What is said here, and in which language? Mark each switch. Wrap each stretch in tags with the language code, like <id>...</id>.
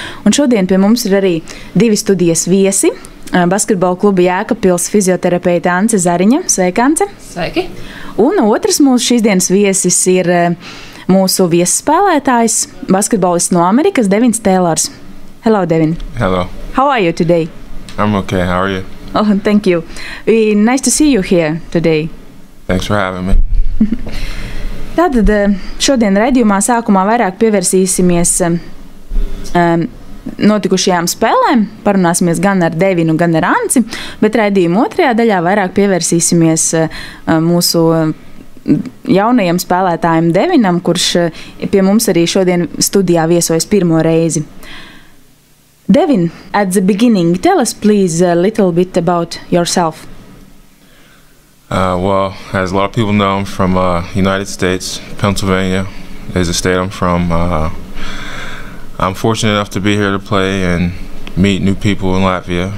<lv>Un šodien pie mums ir arī divi studijas viesi. Basketbola kluba Jēkabpils fizioterapeita Ance Zariņa. Sveika, Ance! Sveiki! Un otrs mūsu šīs dienas viesis ir mūsu viesspēlētājs, basketbolists no Amerikas, Devins Taylors.</lv> <en>Hello, Devin! Hello! How are you today? I'm okay, how are you? Oh, thank you! Nice to see you here today! Thanks for having me!</en> <lv>Tātad šodien raidījumā sākumā vairāk pievērsīsimies notikušajām spēlēm, parunāsimies gan ar Devinu, gan ar Anci, bet raidījuma otrajā daļā vairāk pievērsīsimies mūsu jaunajam spēlētājam Devinam, kurš pie mums arī šodien studijā viesojas pirmo reizi.</lv> <en>Devin, at the beginning, tell us please a little bit about yourself. Well, as a lot of people know, I'm from United States. Pennsylvania is the state I'm from. I'm fortunate enough to be here to play and meet new people in Latvia.</en>